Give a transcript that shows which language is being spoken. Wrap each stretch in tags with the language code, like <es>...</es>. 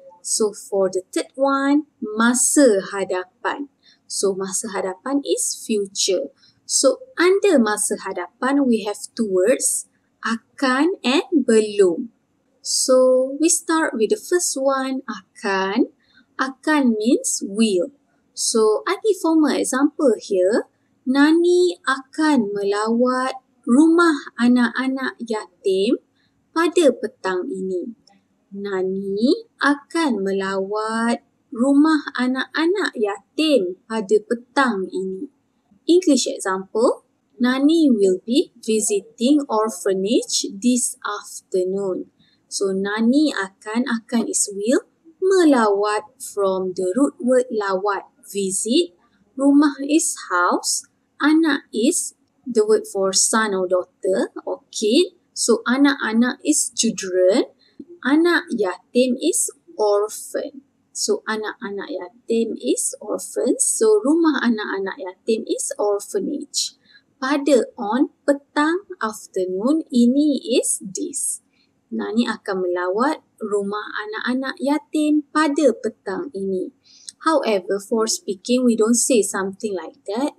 <en>So, for the third one, masa hadapan. So, masa hadapan is future. So, under masa hadapan, we have two words, akan and belum. So, we start with the first one, akan. Akan means will. So, I give formal example here.</en> <ms>Nani akan melawat rumah anak-anak yatim pada petang ini. Nani akan melawat rumah anak-anak yatim pada petang ini.</ms> <en>English example. Nani will be visiting orphanage this afternoon. So, Nani akan is will, melawat from the root word lawat. Visit, rumah is house, anak is the word for son or daughter or kid. So, anak-anak is children, anak yatim is orphan. So, anak-anak yatim is orphan. So,</en> <ms>rumah anak-anak yatim</ms> <en>is orphanage. Pada on, petang, afternoon, ini is this.</en> <ms>Nani akan melawat rumah anak-anak yatim pada petang ini.</ms> <en>However, for speaking, we don't say something like that.</en>